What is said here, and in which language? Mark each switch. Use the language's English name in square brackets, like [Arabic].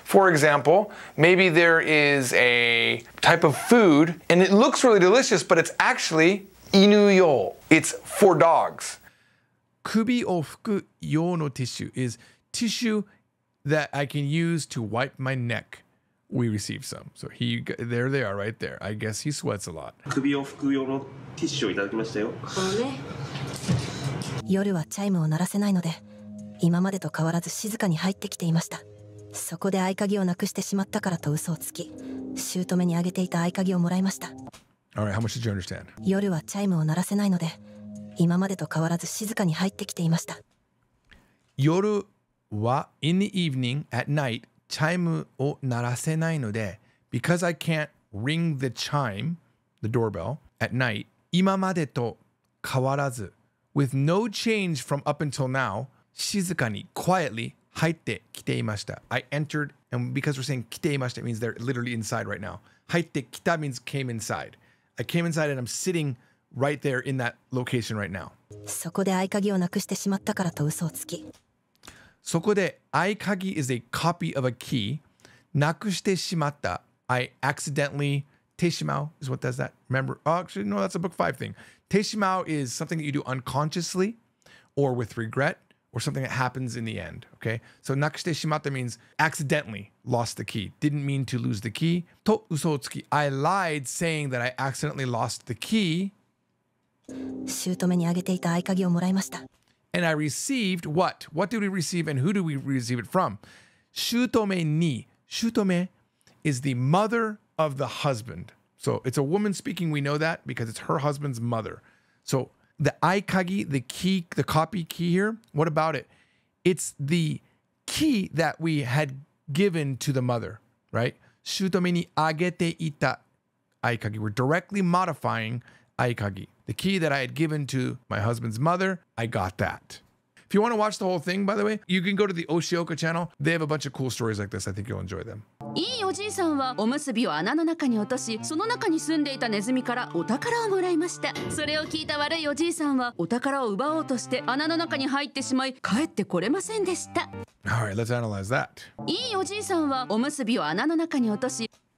[English] For example, maybe there is a type of food and it looks really delicious, but it's actually [Japanese] 犬用. [English] It's for dogs. [Japanese] 首を拭く用の [English] tissue is tissue. That I can use to wipe my neck. We received some. So he, there they are right there. I guess he sweats a lot. [Japanese] 首を拭く用のティッシュをいただきましたよ。このね。夜はチャイムを鳴らせないので、今までと変わらず静かに入ってきていました。そこで合鍵をなくしてしまったからと嘘をつき、姑にあげていた合鍵をもらいました。 [English] All right, how much did you understand? [Japanese] 夜はチャイムを鳴らせないので、今までと変わらず静かに入ってきていました。夜は [English] in the evening, at night, [Japanese] チャイムを鳴らせないので [English] because I can't ring the chime, the doorbell, at night, [Japanese] 今までと変わらず [English] with no change from up until now, [Japanese] 静かに [English] quietly [Japanese] 入ってきていました [English] I entered, and because we're saying [Japanese] 来ていました, [English] it means they're literally inside right now. [Japanese] 入ってきた [English] means came inside. I came inside and I'm sitting right there in that location right now. [Japanese] そこで合鍵をなくしてしまったからと嘘をつきそこで合鍵 [English] is a copy of a key. [Japanese] なくしてしまった。 [English] I accidentally. てしまう is what does that. Remember? Oh, actually, no, that's a book five thing. てしまう is something that you do unconsciously or with regret or something that happens in the end. Okay? So [Japanese] なくしてしまった [English] means accidentally lost the key. Didn't mean to lose the key. [Japanese] と嘘をつき。 [English] I lied saying that I accidentally lost the key. [Japanese] 姑にあげていた合鍵をもらいました。 [English] And I received what? What did we receive and who did we receive it from? [Japanese] Shūtome ni. [English] Shūtome is the mother of the husband. So it's a woman speaking. We know that because it's her husband's mother. So the aikagi, the key, the copy key here, what about it? It's the key that we had given to the mother, right? [Japanese] Shūtome ni agete ita aikagi. [English] We're directly modifying aikagi. The key that I had given to my husband's mother, I got that. If you want to watch the whole thing, by the way, you can go to the Oshioka channel. They have a bunch of cool stories like this. I think you'll enjoy them. [Japanese] いいおじいさんはおむすびを穴の中に落とし、その中に住んでいたネズミからお宝をもらいました。それを聞いた悪いおじいさんはお宝を奪おうとして穴の中に入ってしまい、帰ってこれませんでした。 [English] All right, let's analyze that. [Japanese] いいおじいさんはおむすびを穴の中に落とし、